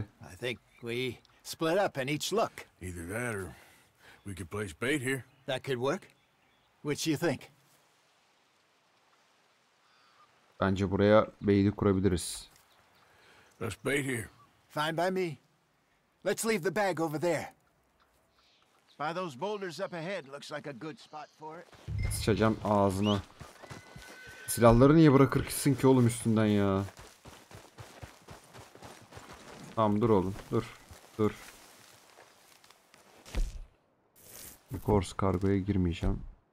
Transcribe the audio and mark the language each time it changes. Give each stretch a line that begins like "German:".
English: I think we split up and each look. Either that or we could place bait here. That could work. Which you think?
Turkish: Bence buraya bait'i kurabiliriz.
English: Let's bait here. Fine by me. Let's leave the bag over there. By those boulders up ahead, looks like a good spot for it.
Turkish: Sıçacağım ağzına. Silahları niye bırakırsın ki oğlum üstünden ya? Tamam dur oğlum, dur. Dur. Course kargoya girmeyeceğim.